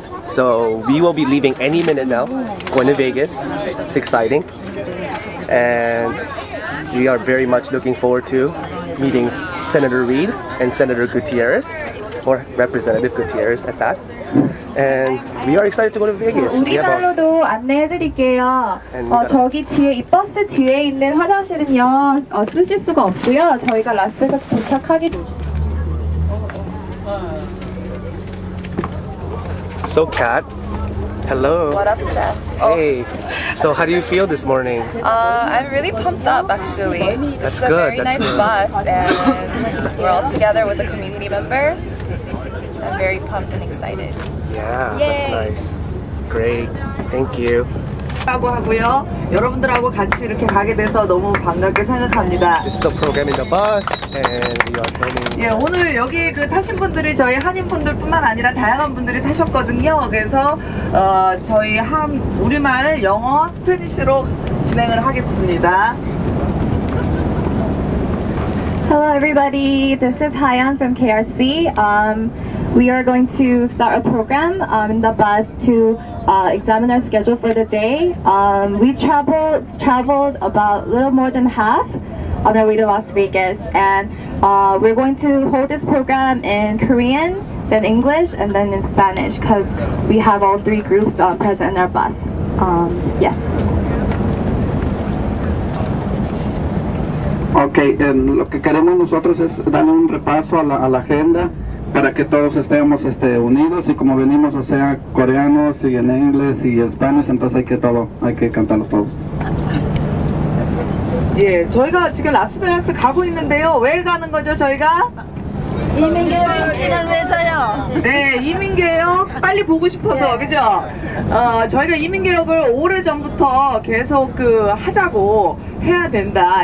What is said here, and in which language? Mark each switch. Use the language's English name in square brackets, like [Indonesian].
[English] So we will be leaving any minute now, going to Vegas. It's exciting, and we are very much looking forward to meeting Senator Reed and Senator Gutierrez, or Representative Gutierrez at that. And we are excited to go to Vegas. [Korean] 우리말로도 안내해드릴게요. 저기 뒤에 이 버스 뒤에 있는 화장실은요 쓰실 수가 없고요. 저희가 라스베이거스 도착하기. [English] So Kat, hello. What up, Jeff? Hey. So how do you feel this morning? I'm really pumped up, actually. That's good. A very That's nice good. Bus, and we're all together with the community members. I'm very pumped and excited. Yeah, Yay. That's nice. Great. Thank you. This is the program in the bus, and we are filming. [Korean] Yeah, 오늘 여기 그 타신 분들이 저희 한인분들뿐만 아니라 다양한 분들이 타셨거든요. 그래서 저희 한 우리말 영어 스페니쉬로 진행을 하겠습니다. [English] Hello, everybody. This is Hyun from KRC. We are going to start a program in the bus to examine our schedule for the day. We traveled about a little more than half on our way to Las Vegas, and we're going to hold this program in Korean, then English, and then in Spanish, because we have all three groups present in our bus. Yes. [Spanish] Okay, lo que queremos nosotros es darle un repaso a la agenda. Para que todos estemos unidos y como venimos, o sea, coreanos y en inglés y español, entonces hay que cantarlos todos. [Korean] 예, 저희가 지금 라스베이거스 가고 있는데요. 왜 가는 거죠, 저희가? 이민계를 위해서요. 네, 이민계역 빨리 보고 싶어서, 그죠? 저희가 이민계역을 오래 전부터 계속 그 하자고 해야 된다.